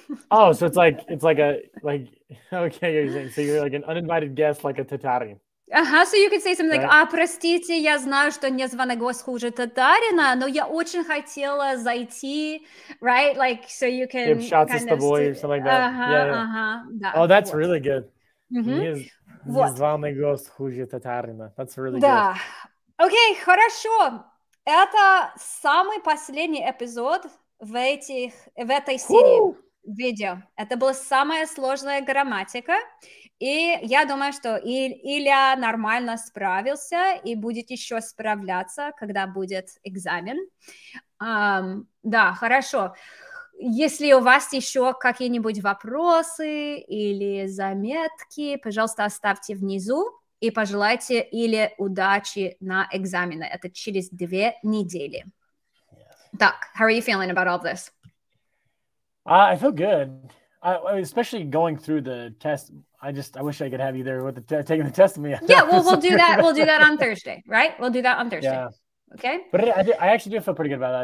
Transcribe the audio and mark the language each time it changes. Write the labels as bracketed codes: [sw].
[en] Oh, so you're like an uninvited guest, like a Tatarin. Uh-huh. So you could say something like, [ru] простите, я знаю, что незваный гость хуже татарина, но я очень хотела зайти, right? [en] Like, so you can give shots kind of the boy or something like that. Uh-huh, yeah, yeah. Uh-huh. That, oh, that's really good. Mm-hmm. [ru] Незваный гость хуже татарина. [en] That's really good. [ru] Okay, хорошо. Это самый последний эпизод в этой серии видео. Это была самая сложная грамматика. И я думаю, что Илья нормально справился и будет еще справляться, когда будет экзамен. Да, хорошо. Если у вас еще какие-нибудь вопросы или заметки, пожалуйста, оставьте внизу и пожелайте Илье удачи на экзамене. Это через 2 недели. Yeah. [en] Так, how are you feeling about all this? I feel good. Especially going through the test. I wish I could have you there with taking the test of me. Yeah, we'll do that. We'll do that on Thursday, right? We'll do that on Thursday. Yeah. Okay. But I actually do feel pretty good about it.